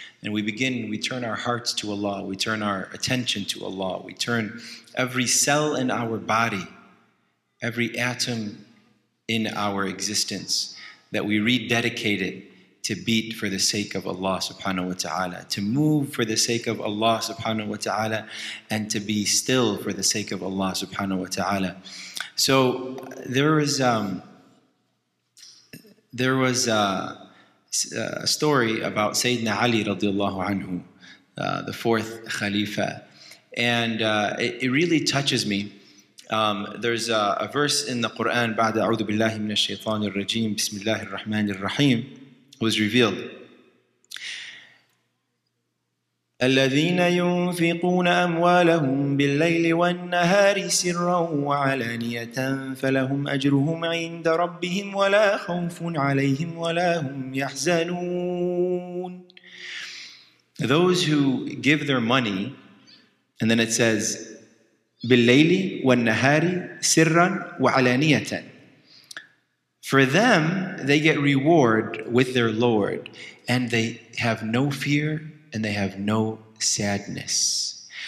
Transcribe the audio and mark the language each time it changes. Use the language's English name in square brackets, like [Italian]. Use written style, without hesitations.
[English] And we begin, we turn our hearts to Allah, we turn our attention to Allah, we turn every cell in our body, every atom in our existence that we rededicate it to beat for the sake of Allah subhanahu wa ta'ala, to move for the sake of Allah subhanahu wa ta'ala, and to be still for the sake of Allah subhanahu wa ta'ala. So there was a story about Sayyidina Ali radiallahu anhu, the fourth Khalifa, and it really touches me. There's a verse in the Quran, [Arabic] بعد أعوذ بالله من الشيطان الرجيم بسم الله الرحمن الرحيم, [English] was revealed. [Arabic] الذين ينفقون أموالهم بالليل والنهار سرا وعلانية فلهم أجرهم عند ربهم ولا خوف عليهم ولا هم يحزنون. [English] Those who give their money, and then it says [Arabic] بالليل والنهار سرا وعلانية, [English] for them, they get reward with their Lord, and they have no fear, and they have no sadness.